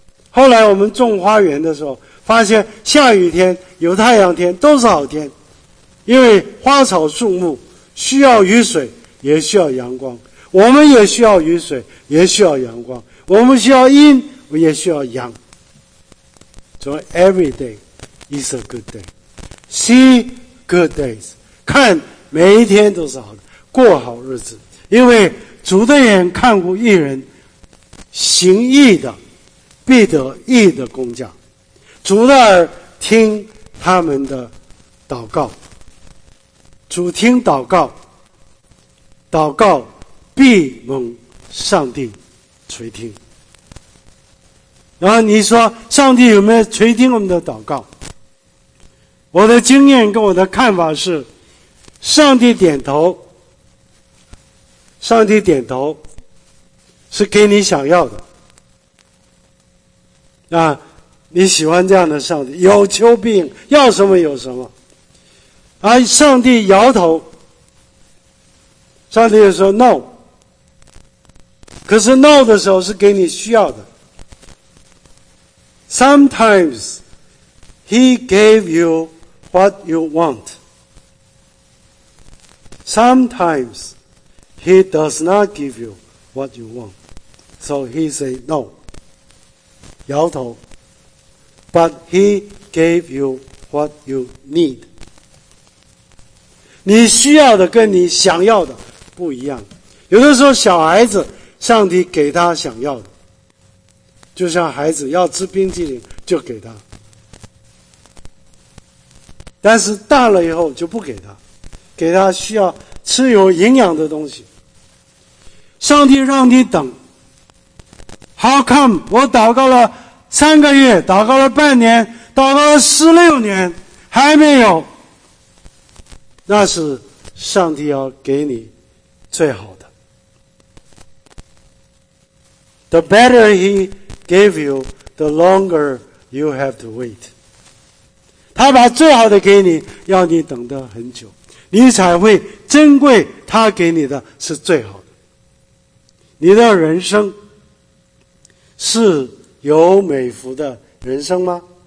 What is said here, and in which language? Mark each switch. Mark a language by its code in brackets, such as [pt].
[zh] 后来我们种花园的时候发现下雨天有太阳天都是好天，因为花草树木需要雨水也需要阳光，我们也需要雨水也需要阳光，我们需要阴也需要阳。 [en] So every day is a good day. See good days. [zh] 看每一天都是好的，过好日子。因为主的眼看顾义人，行义的必得义的工价，主的耳听他们的祷告，主听祷告，祷告必蒙上帝垂听。然后你说上帝有没有垂听我们的祷告？我的经验跟我的看法是，上帝点头，上帝点头是给你想要的啊，你喜欢这样的上帝，有求必应，要什么有什么。而上帝摇头，上帝也说 no， 可是 no 的时候是给你需要的。 [en] Sometimes he gave you what you want， Sometimes he does not give you what you want， So he say no， [zh] 摇头。 [en] But he gave you what you need， [zh] 你需要的跟你想要的不一样。有的时候小孩子上帝给他想要的，就像孩子要吃冰淇淋就给他，但是大了以后就不给他，给他需要吃有营养的东西。上帝让你等， [en] How come [zh] 我祷告了三个月，祷告了半年，祷告了16年还没有？那是上帝要给你最好的。 [en] The better he gave you, the longer you have to wait. [zh] 他把最好的给你，要你等得很久，你才会珍贵他给你的是最好的。你的人生是有美福的人生吗？